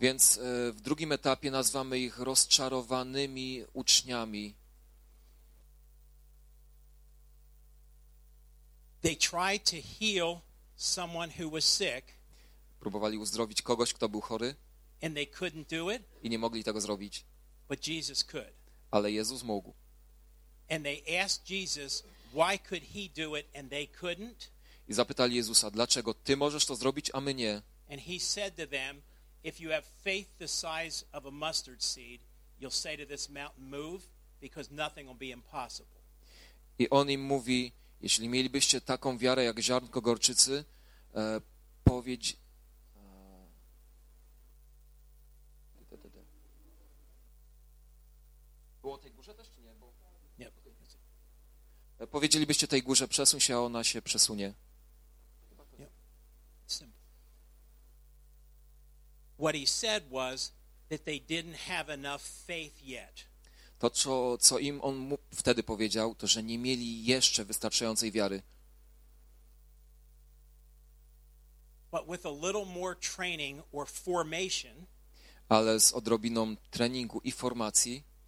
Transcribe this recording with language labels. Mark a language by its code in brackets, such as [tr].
[pl] Więc w drugim etapie nazwamy ich rozczarowanymi uczniami. [en] They tried to heal someone who was sick. [pl] Próbowali uzdrowić kogoś, kto był chory. [en] And they couldn't do it. [pl] I nie mogli tego zrobić. [en] But Jesus could. [pl] Ale Jezus mógł. [en] And they asked Jesus, why could he do it and they couldn't? [pl] I zapytali Jezusa, dlaczego ty możesz to zrobić, a my nie? [en] And he said to them, if you have faith the size of a mustard seed, you'll say to this mountain, move, because nothing will be impossible. [pl] I on im mówi, jeśli mielibyście taką wiarę jak ziarnko gorczycy, powiedz. Było tej górze też, czy nie? Bo... Nie. Powiedzielibyście tej górze, przesuń się, a ona się przesunie. [en] What he said was that they didn't have enough faith yet. [pl] To, co im on wtedy powiedział, to, że nie mieli jeszcze wystarczającej wiary. [en] But with a little more training or formation, [pl] ale z odrobiną treningu i formacji,